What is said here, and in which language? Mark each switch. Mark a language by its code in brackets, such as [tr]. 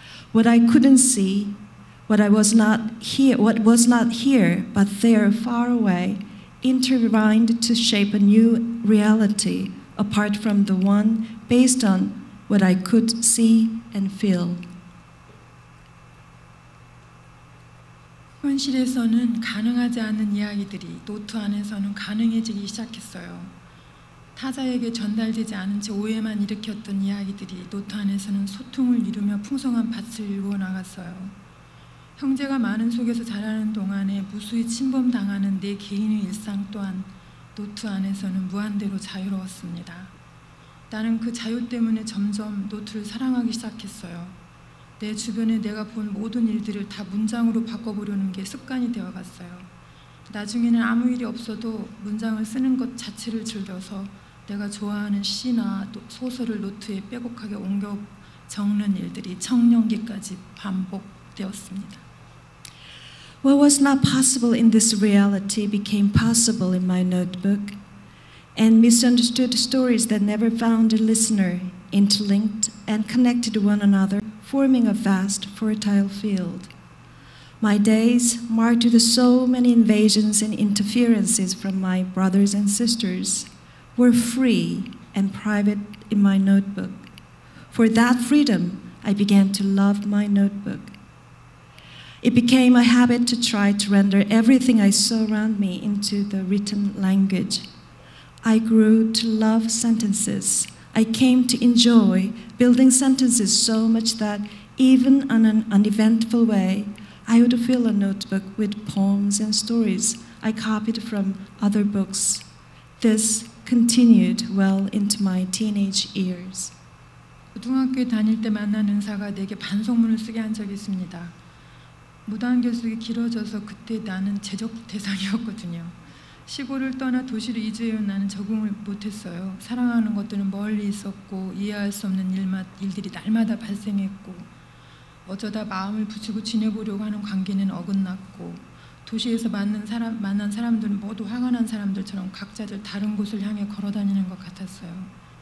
[en] What I couldn't see, what was not here, but there, far away, intertwined to shape a new reality apart from the one based on what I could see and feel. [ko] 현실에서는 가능하지 않은 이야기들이 노트 안에서는 가능해지기 시작했어요. 타자에게 전달되지 않은 채 오해만 일으켰던 이야기들이 노트 안에서는 소통을 이루며 풍성한 밭을 일구어 나갔어요. 형제가 많은 속에서 자라는 동안에 무수히 침범당하는 내 개인의 일상 또한 노트 안에서는 무한대로 자유로웠습니다. 나는 그 자유 때문에 점점 노트를 사랑하기 시작했어요. 내 주변에 내가 본 모든 일들을 다 문장으로 바꿔보려는 게 습관이 되어갔어요. 나중에는 아무 일이 없어도 문장을 쓰는 것 자체를 즐겨서 내가 좋아하는 시나 소설을 노트에 빼곡하게 옮겨 적는 일들이 청년기까지 반복되었습니다. [en] What was not possible in this reality became possible in my notebook, and misunderstood stories that never found a listener interlinked and connected to one another, forming a vast, fertile field. My days, marked with so many invasions and interferences from my brothers and sisters, were free and private in my notebook. For that freedom, I began to love my notebook. It became a habit to try to render everything I saw around me into the written language. I grew to love sentences. I came to enjoy building sentences so much that Even on an uneventful way, I would fill a notebook with poems and stories I copied from other books. This continued well into my teenage years. [ko] 고등학교 다닐 때 만난 은사가 내게 반성문을 쓰게 한 적이 있습니다. 무단 결석이 길어져서 그때 나는 재적 대상이었거든요. 시골을 떠나 도시로 이주해온 나는 적응을 못했어요. 사랑하는 것들은 멀리 있었고 이해할 수 없는 일들이 날마다 발생했고 어쩌다 마음을 붙이고 지내보려고 하는 관계는 어긋났고 도시에서 만난 사람들은 모두 화가 난 사람들처럼 각자들 다른 곳을 향해 걸어다니는 것 같았어요.